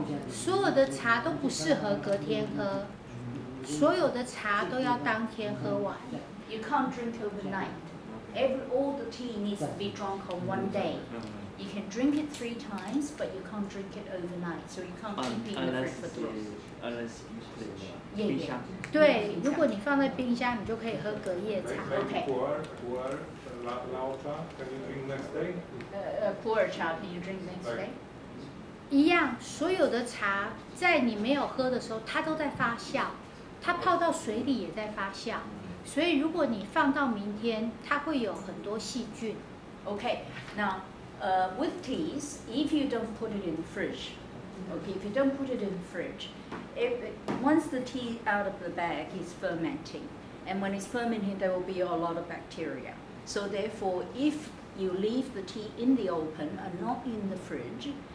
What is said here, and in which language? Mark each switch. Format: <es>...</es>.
<zh>所有的茶都不适合隔天喝，所有的茶都要当天喝完。</zh> <en>You can't drink overnight. all the tea needs to be drunk on one day. You can drink it three times, but you can't drink it overnight. So you can't keep it in the fridge for too long. Unless you put it in the fridge.</en> <zh>对，如果你放在冰箱，你就可以喝隔夜茶。</zh> <en>Okay. Pu'er, pu'er, lao cha, can you drink next day? Pu'er cha, can you drink next day?</en> <zh>一样，所有的茶在你没有喝的时候，它都在发酵，它泡到水里也在发酵，所以如果你放到明天，它会有很多细菌。</zh> <en>Okay, now, with teas, if you don't put it in the fridge, okay, if you don't put it in the fridge, once the tea out of the bag is fermenting, and when it's fermenting, there will be a lot of bacteria. So therefore, if you leave the tea in the open and not in the fridge.</en>